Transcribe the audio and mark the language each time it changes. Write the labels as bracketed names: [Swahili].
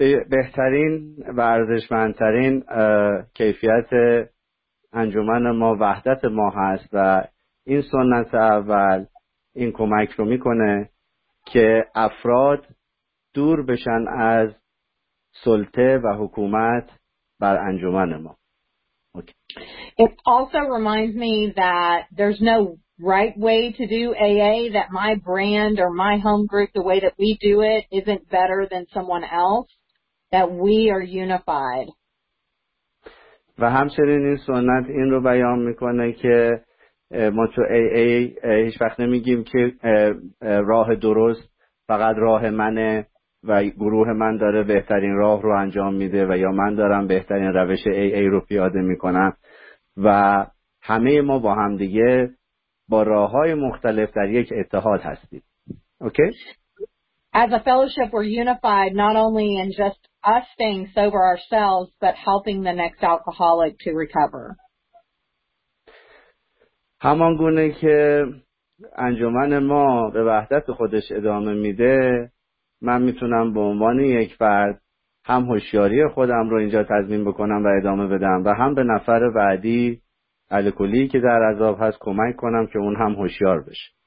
[Persian] بهترین و ارزشمندترین کیفیت انجمن ما وحدت ما هست و این سنت اول این کمک رو میکنه که افراد دور بشن از سلطه و حکومت بر انجمن ما. [English] It also reminds me that there's no right way to do AA, that my brand or my home group, the way that we do it, isn't better than someone else, that we are unified. [Persian] و همچنین این سنت این رو بیان میکنه که ما تو AA هیچ وقت نمیگیم که راه درست فقط راه منه و گروه من داره بهترین راه رو انجام میده و یا من دارم بهترین روش AA رو پیاده میکنم و همه ما با هم دیگه با راه‌های مختلف در یک اتحاد هستیم. اوکی؟ [English] As a fellowship we're unified not only in just us staying sober ourselves but helping the next alcoholic to recover. [Persian] همان گونه که انجمن ما به وحدت خودش ادامه میده، من میتونم به عنوان یک فرد هم هوشیاری خودم رو اینجا تضمین بکنم و ادامه بدم و هم به نفر بعدی الکلی که در عذاب هست کمک کنم که اون هم هوشیار بشه.